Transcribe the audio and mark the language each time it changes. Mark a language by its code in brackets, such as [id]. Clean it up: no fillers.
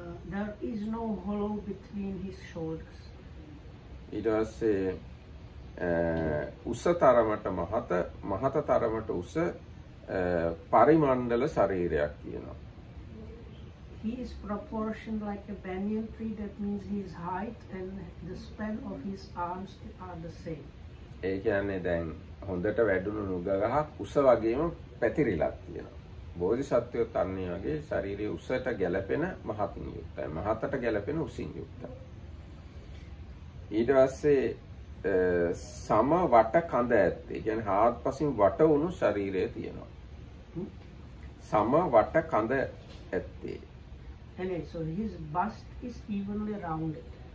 [en] There is no hollow between his shoulders. [si] ඊටසේ උස තරමට මහත මහත තරමට උස පරිමණ්ඩල ශරීරයක් තියෙනවා. [en] He is proportioned like a banyan tree, that means his height and the span of his arms are the same. [si] ඒ කියන්නේ දැන් හොඳට වැඩුණු නුග ගහක් උස වගේම පැතිරිලා තියෙනවා. බෝධිසත්වයෝත් අන්නේ වගේ ශරීරයේ උසට ගැළපෙන මහතින් යුක්තයි. මහතට ගැළපෙන උසින් යුක්තයි. ඊට පස්සේ සම වට කඳ ඇත්තේ. ඒ කියන්නේ හාත්පසින් වට වුණු ශරීරය තියෙනවා. සම වට කඳ ඇත්තේ. [en] එනේ so his bust is evenly rounded.